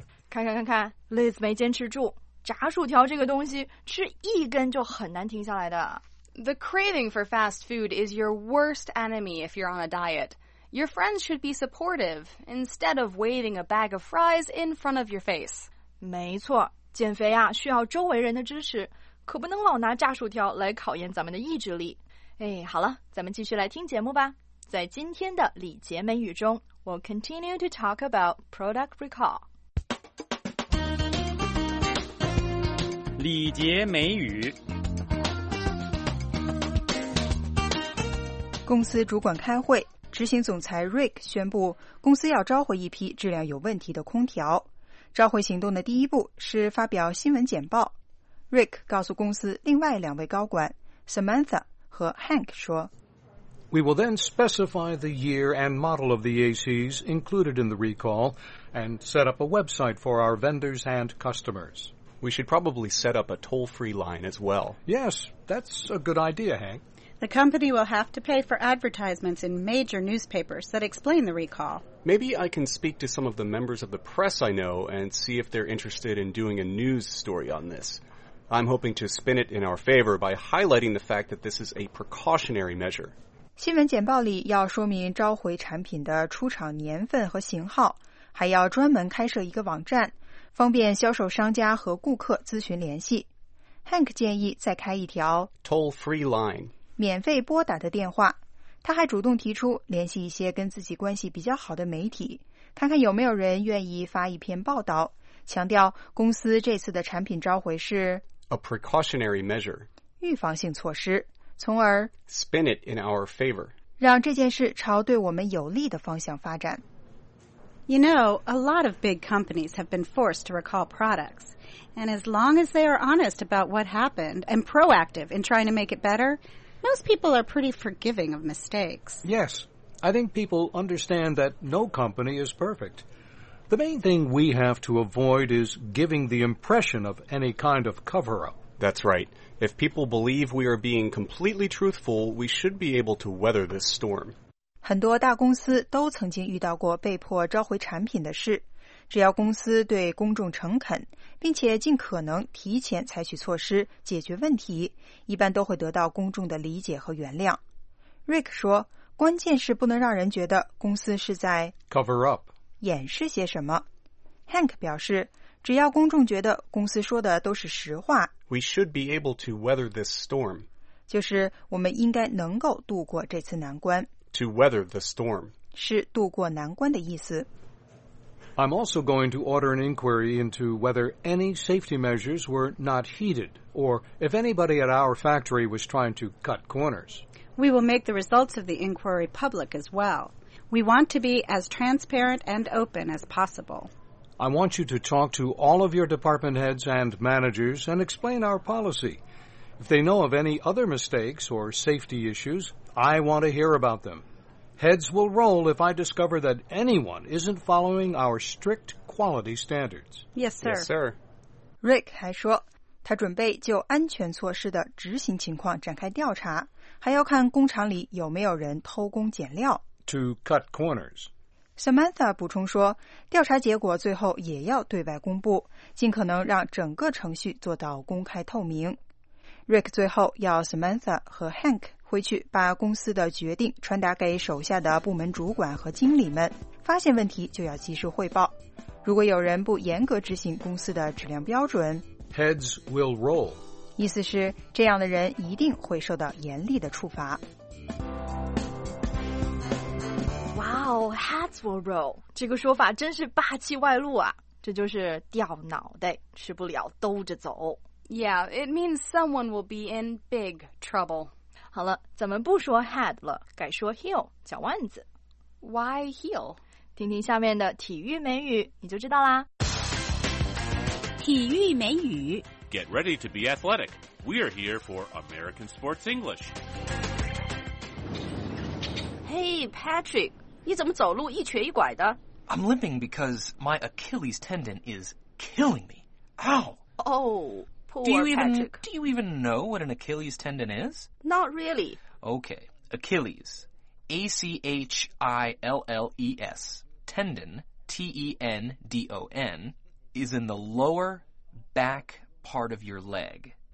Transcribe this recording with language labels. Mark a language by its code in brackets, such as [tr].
[zh] 看看 ，Liz 没坚持住。炸薯条这个东西，吃一根就很难停下来的。 [en] The craving for fast food is your worst enemy if you're on a diet. Your friends should be supportive instead of waving a bag of fries in front of your face. [zh] 没错，减肥啊需要周围人的支持，可不能老拿炸薯条来考验咱们的意志力。哎，好了，咱们继续来听节目吧。在今天的礼节美语中 [en] ，We'll continue to talk about product recall. [zh] 礼节美语。公司主管开会。执行总裁 Rick 宣布公司要召回一批质量有问题的空调。召回行动的第一步是发表新闻简报。Rick 告诉公司另外两位高管 Samantha 和 Hank 说 [en] We will then specify the year and model of the ACs included in the recall and set up a website for our vendors and customers. We should probably set up a toll-free line as well. Yes, that's a good idea, Hank. The company will have to pay for advertisements in major newspapers that explain the recall. Maybe I can speak to some of the members of the press I know and see if they're interested in doing a news story on this. I'm hoping to spin it in our favor by highlighting the fact that this is a precautionary measure. [zh] 新闻简报里要说明召回产品的出厂年份和型号，还要专门开设一个网站，方便销售商家和顾客咨询联系。 Hank 建议再开一条 [en] toll-free line. [zh] 免费拨打的电话，他还主动提出联系一些跟自己关系比较好的媒体，看看有没有人愿意发一篇报道，强调公司这次的产品召回是 [en] a precautionary measure [zh] 预防性措施，从而 [en] spin it in our favor [zh] 让这件事朝对我们有利的方向发展。 [en] You know, a lot of big companies have been forced to recall products. And as long as they are honest about what happened and proactive in trying to make it better, most people are pretty forgiving of mistakes. Yes, I think people understand that no company is perfect. The main thing we have to avoid is giving the impression of any kind of cover-up. That's right. If people believe we are being completely truthful, we should be able to weather this storm. [zh] 很多大公司都曾经遇到过被迫召回产品的事。只要公司对公众诚恳，并且尽可能提前采取措施解决问题，一般都会得到公众的理解和原谅。 Rick 说，关键是不能让人觉得公司是在 [en] cover up [zh] 掩饰些什么。 Hank 表示，只要公众觉得公司说的都是实话 [en] ，we should be able to weather this storm， [zh] 就是我们应该能够度过这次难关。 [en] To weather the storm [zh] 是度过难关的意思。 [en] I'm also going to order an inquiry into whether any safety measures were not heeded, or if anybody at our factory was trying to cut corners. We will make the results of the inquiry public as well. We want to be as transparent and open as possible. I want you to talk to all of your department heads and managers and explain our policy. If they know of any other mistakes or safety issues, I want to hear about them. Heads will roll if I discover that anyone isn't following our strict quality standards. Yes, sir. Yes, sir. [zh] Rick 还说，他准备就安全措施的执行情况展开调查，还要看工厂里有没有人偷工减料。 [en] To cut corners. [zh] Samantha 补充说，调查结果最后也要对外公布，尽可能让整个程序做到公开透明。 Rick 最后要 Samantha 和 Hank 回去把公司的决定传达给手下的部门主管和经理们，发现问题就要及时汇报。如果有人不严格执行公司的质量标准， [en] Heads will roll. [zh] 意思是这样的人一定会受到严厉的处罚。 [en] Wow, heads will roll. [zh] 这个说法真是霸气外露啊，这就是掉脑袋，吃不了兜着走。 [en] Yeah, it means someone will be in big trouble. [zh] 好了，咱们不说 head 了，改说 heel, 脚腕子。 [en] Why heel? [zh] 听听下面的体育美语，你就知道啦。体育美语。 [en] Get ready to be athletic. We are here for American Sports English. [zh] Hey, Patrick, 你怎么走路一瘸一拐的？ [en] I'm limping because my Achilles tendon is killing me. Ow! Do you even know what an Achilles tendon is? Not really. Okay, Achilles. A-C-H-I-L-L-E-S. Tendon, T-E-N-D-O-N, is in the lower back part of your leg.